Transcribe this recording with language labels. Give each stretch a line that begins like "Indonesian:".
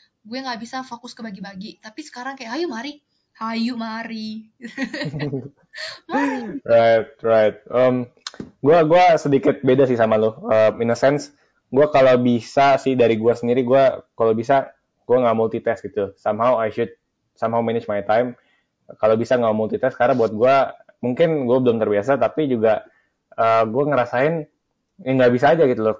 Indonesian: Gue nggak bisa fokus ke bagi-bagi. Tapi sekarang kayak ayo mari. Hayu mari. Mari. Right. Gua sedikit beda sih sama lo.
English: In a sense,
Indonesian: gua kalau bisa sih dari gua sendiri, gua kalau bisa gua nggak multitask gitu.
English: Somehow I should somehow manage my time.
Indonesian: Kalau bisa nggak multitask, karena buat gua mungkin gua belum terbiasa, tapi juga gua ngerasain ini nggak bisa aja gitu loh.